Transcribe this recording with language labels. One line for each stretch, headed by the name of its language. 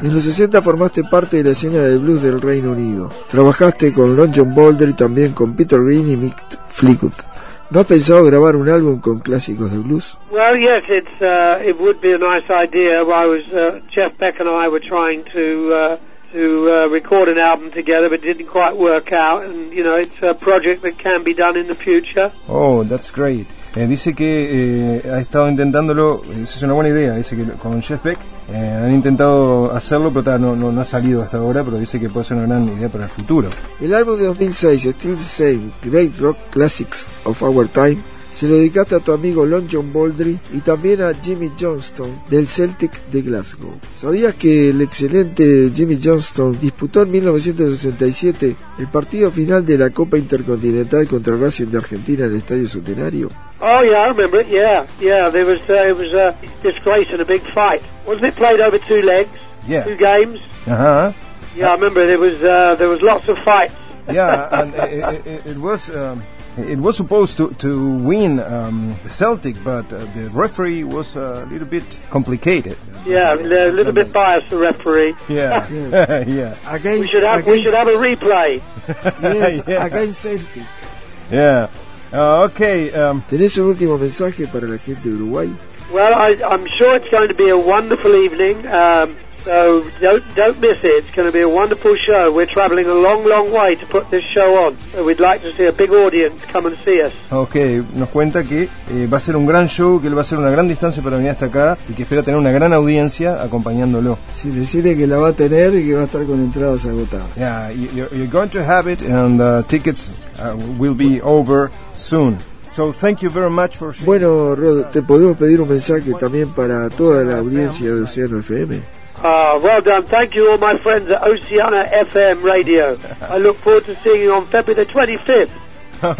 Spanish: En los 60 formaste parte de la escena de blues del Reino Unido. Trabajaste con Lon John Boulder y también con Peter Green y Mick Fleetwood. ¿No has pensado grabar un álbum con clásicos de blues?
English: Well, yes, it's it would be a nice idea. I was Jeff Beck and I were trying to record an album together, but it didn't quite work out. And you know, it's a project that can be done in the future. Oh, that's great.
Spanish: Dice que ha estado intentándolo. Esa es una buena idea. Dice que con Jeff Beck han intentado hacerlo, pero no ha salido hasta ahora. Pero dice que puede ser una gran idea para el futuro. El álbum de 2006, Still the Same, Great Rock Classics of Our Time, se lo dedicaste a tu amigo Lon John Boldry y también a Jimmy Johnston del Celtic de Glasgow. ¿Sabías que el excelente Jimmy Johnston disputó en 1967 el partido final de la Copa Intercontinental contra Racing de Argentina en el Estadio Centenario?
English: Oh yeah, I remember it. Yeah, there was a disgrace and a big fight. Wasn't it played over two legs? Yeah. Two games. Uh-huh. Yeah, I remember there was lots of fights. Yeah, and it was supposed to win the Celtic, but the referee was a little bit complicated. Yeah, a little bit biased, the referee. Yeah, yeah. We should have a replay. Yes, yeah. Against Celtic. Yeah. Okay.
Spanish: ¿Tenés un último mensaje para la gente de Uruguay?
English: Well, I'm sure it's going to be a wonderful evening. So don't miss it. It's going to be a wonderful show. We're traveling a long, long way to put this show on. So we'd like to see a big audience come and see us. Okay.
Spanish: Nos cuenta que va a ser un gran show, que él va a ser una gran distancia para venir hasta acá y que espera tener una gran audiencia acompañándolo. Sí, decide que la va a tener y que va a estar con entradas agotadas.
English: Yeah, you're going to have it, and tickets will be over soon. So thank you very much for sharing.
Spanish: Bueno, Rod, te podemos pedir un mensaje también para toda la audiencia de Oceano FM.
English: Well done. Thank you, all my friends at Oceana FM Radio. I look forward to seeing you on February the 25th.